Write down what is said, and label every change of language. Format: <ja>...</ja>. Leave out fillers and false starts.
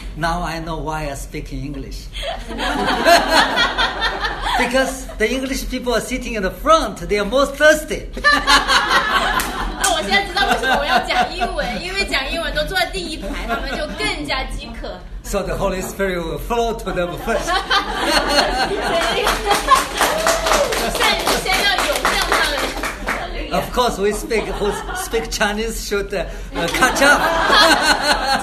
<en>Now I know why I speak in English. Because the English people are sitting in the front, they are more thirsty.</en> <zh>那我现在知道为什么我要讲英文，因为讲英文都坐在第一排，他们就更加饥渴。</zh> <en>So the Holy Spirit will flow to them first.</en> <zh>先要涌向他们。</zh> <en>Of course, we speak who speak Chinese should catch up.</en>